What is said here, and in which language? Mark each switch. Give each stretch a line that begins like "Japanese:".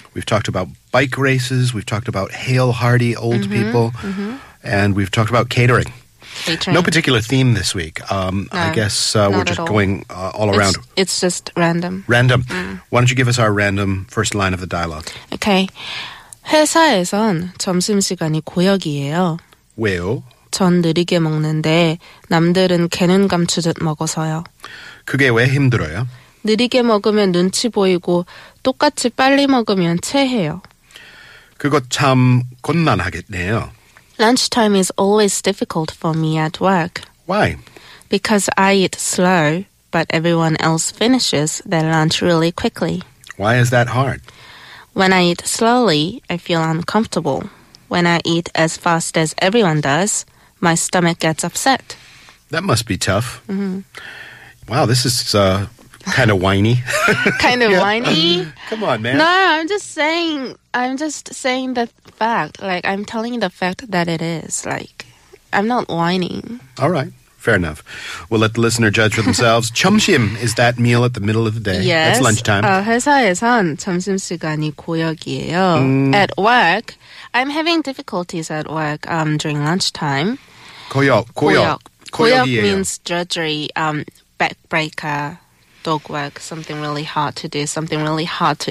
English: We've talked about bike races, we've talked about hail hardy old mm-hmm, people, mm-hmm. and we've talked about catering. Catering. No particular theme this week. No, I guess we're just going all around. It's just random. Random. Mm. Why don't you give us our random first line of the dialogue? Okay.
Korean: 회사에선 점심시간이 고역이에요. 왜요? 전 느리게 먹는데 남들은 개눈 감추듯 먹어서요. 그게 왜 힘들어요? 느리게 먹으면 눈치 보이고 똑같이 빨리 먹으면 체해요. 그거 참 곤란하겠네요.
English: Lunchtime is always difficult for me at work. Why? Because I eat slow, but everyone else finishes their lunch really quickly. Why is that hard? When I eat slowly, I feel uncomfortable. When I eat as fast as everyone does, my stomach gets upset. That must be tough. Mm-hmm. Wow, this is kind of whiny. Kind of whiny? Come on, man. No, I'm just saying the fact. Like, I'm telling you the fact that it is. Like, I'm not whining. All right. Fair enough. We'll let the listener judge for themselves. 점심 is that meal at the middle of the day. Yes. That's lunchtime.
Korean: 회사에선 점심시간이 고역이에요. Mm.
English: At work, I'm having difficulties at work during lunchtime.
Korean: 고역.
English: 고역 means drudgery, backbreaker, dog work, something really hard to do, something really hard to